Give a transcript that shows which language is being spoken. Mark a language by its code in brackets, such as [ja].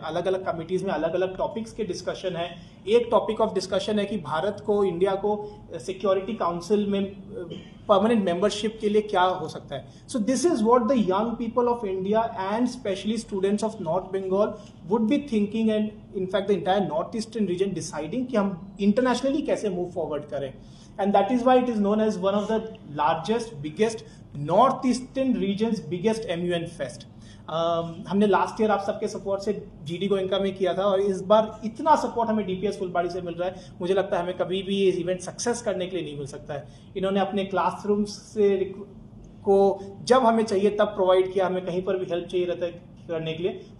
[hi] अलग अलग कमिटीज़ में अलग अलग टॉपिक्स के डिस्कशन है। एक टॉपिक ऑफ डिस्कशन है कि भारत को, इंडिया को सिक्योरिटी काउंसिल में परमानेंट मेंबरशिप के लिए क्या हो सकता है। [en] so this is what the young people of India and specially students of North Bengal would be thinking, and in fact the entire north eastern region deciding [hi] कि हम इंटरनेशनली कैसे मूव फॉरवर्ड करें। [en] And that is why it is known as one of the largest, biggest, northeastern region's biggest MUN fest. [hi] हमने last year आप सबके support से GD Goenka में किया था, और इस बार इतना सपोर्ट हमें DPS फुलबाड़ी से मिल रहा है, मुझे लगता है हमें कभी भी इस इवेंट सक्सेस करने के लिए नहीं मिल सकता है। इन्होंने अपने क्लासरूम से को जब हमें चाहिए तब प्रोवाइड किया, हमें कहीं पर भी हेल्प चाहिए रहता है करने के लिए।